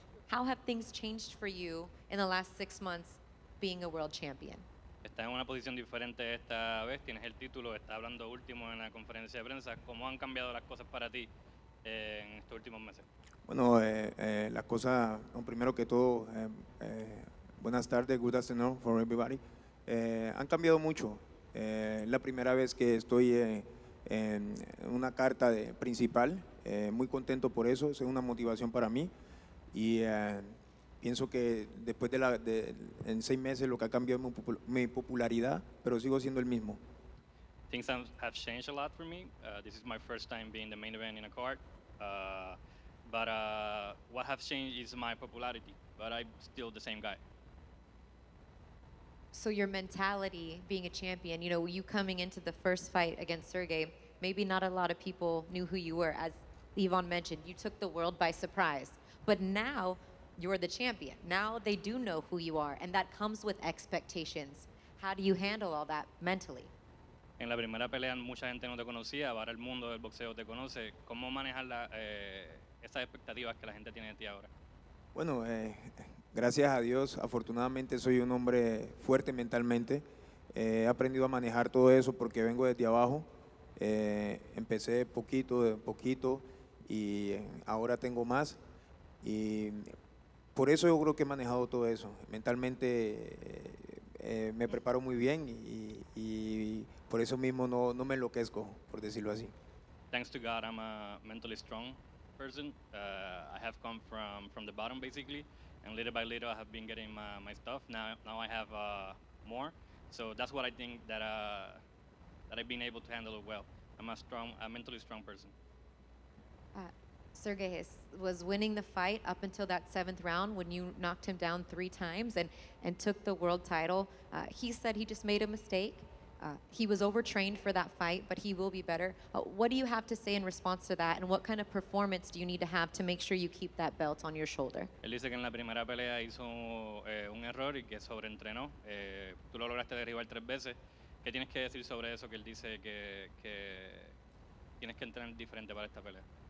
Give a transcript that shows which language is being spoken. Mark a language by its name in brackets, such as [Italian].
[English] How have things changed for you in the last 6 months being a world champion? [Spanish] Está en una posición diferente esta vez. Tienes el título. Está hablando último en la conferencia de prensa. ¿Cómo han cambiado las cosas para ti en estos últimos meses? Bueno, las cosas, primero que todo, buenas tardes, [English] good afternoon for everybody. [Spanish] Han cambiado mucho. La primera vez que estoy en una carta de principal, muy contento por eso, es una motivación para mí. Y pienso que después de en 6 meses lo que ha cambiado es mi popularidad, pero sigo siendo el mismo. [English] Things have changed a lot for me. This is my first time being the main event in a card. But what has changed is my popularity, but I'm still the same guy. So your mentality being a champion, you know, you coming into the first fight against Sergey, maybe not a lot of people knew who you were. As Yvonne mentioned, you took the world by surprise. But now you're the champion. Now they do know who you are, and that comes with expectations. How do you handle all that mentally? [Spanish] En la primera pelea mucha gente no te conocía, ahora el mundo del boxeo te conoce. ¿Cómo manejar la esas expectativas que la gente tiene de ti ahora? Bueno, gracias a Dios, afortunadamente soy un hombre fuerte mentalmente. He aprendido a manejar todo eso porque vengo desde abajo. Empecé poquito y ahora tengo más. Y por eso yo creo que he manejado todo eso. Mentalmente me preparo muy bien y por eso mismo no me enloquezco, por decirlo así. [English] Thanks to God, I'm a mentally strong person. I have come from the bottom, basically. And little by little, I have been getting my stuff. Now I have more. So that's what I think that I've been able to handle it well. I'm a mentally strong person. Sergey was winning the fight up until that seventh round when you knocked him down 3 times and took the world title. He said he just made a mistake. He was overtrained for that fight, but he will be better. What do you have to say in response to that, and what kind of performance do you need to have to make sure you keep that belt on your shoulder? [Spanish] Él dice que en la primera pelea hizo un error y que sobreentrenó. Tú lo lograste derribar 3 veces. ¿Qué tienes que decir sobre eso que él dice que tienes que entrenar diferente para esta pelea?